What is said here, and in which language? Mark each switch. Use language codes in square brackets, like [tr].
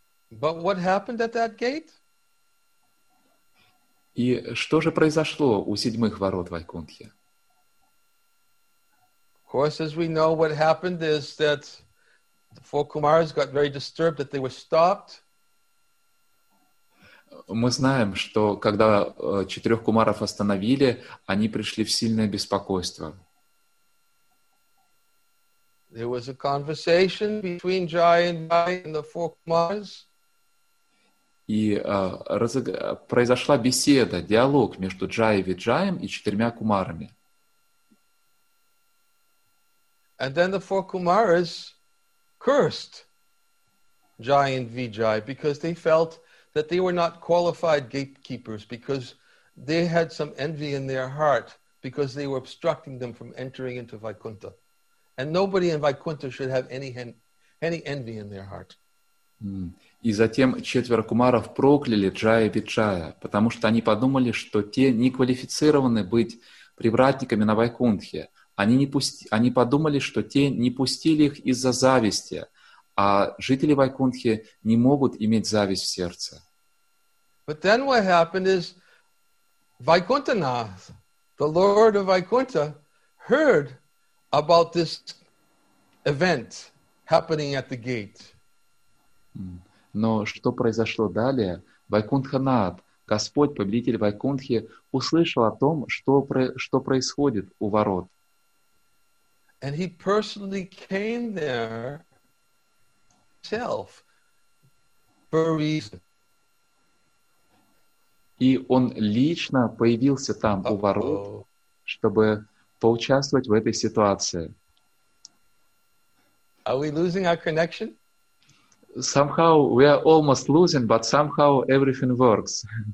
[en] But what happened at that gate? [ru] И что же произошло у седьмых ворот Вайкунтхи? [en] Of course, as we know, what happened is that the four Kumaras got very disturbed that they were stopped. [ru] Мы знаем, что когда четырех кумаров остановили, они пришли в сильное беспокойство. [en] There was a conversation between Jaya and Jaya and the four Kumaras. [ru] И произошла беседа, диалог между Джай Виджаем и четырьмя кумарами. [en] And then the four Kumaras cursed Jai and Vijay because they felt that they were not qualified gatekeepers because they had some envy in their heart because they were obstructing them from entering into Vaikuntha. And nobody in Vaikuntha should have any envy in their heart. [ru] И затем четверо кумаров прокляли Джая Виджая, потому что они подумали, что те не квалифицированы быть привратниками на Вайкунтхе. Они подумали, что те не пустили их из-за зависти, а жители Вайкунтхи не могут иметь зависть в сердце. [en] But then what happened is Vaikunthanath, the lord of Vaikuntha, heard about this event happening at the gate. [ru] Но что произошло далее? Вайкунтханат, Господь, повелитель Вайкунтхи, услышал о том, что происходит у ворот. [en] And he personally came there himself for a reason. [ru] И он лично появился там, у ворот, чтобы поучаствовать в этой ситуации. [en] Are we losing our connection? Somehow we are almost losing, but somehow everything works.